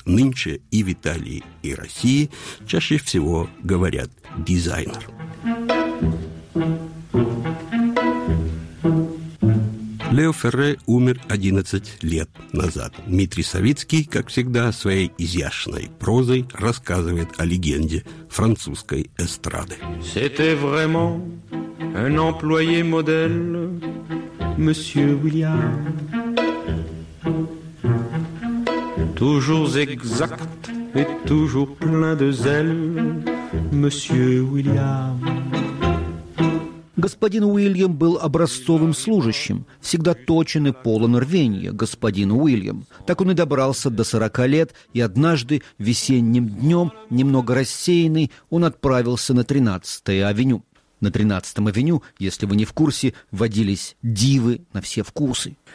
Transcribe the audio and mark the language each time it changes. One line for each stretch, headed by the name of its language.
Russian: Нынче и в Италии, и России чаще всего говорят «дизайнер». Лео Ферре умер 11 лет назад. Дмитрий Савицкий, как всегда, своей изящной прозой рассказывает о легенде французской эстрады.
French: C'était vraiment un employé modèle, monsieur William. Toujours exact et toujours plein de zèle, monsieur William.
Russian: Господин Уильям был образцовым служащим, всегда точен и полон рвения, господин Уильям. Так он и добрался до 40 лет, и однажды, весенним днем, немного рассеянный, он отправился на 13-е авеню. На 13-м авеню, если вы не в курсе, водились дивы на все вкусы.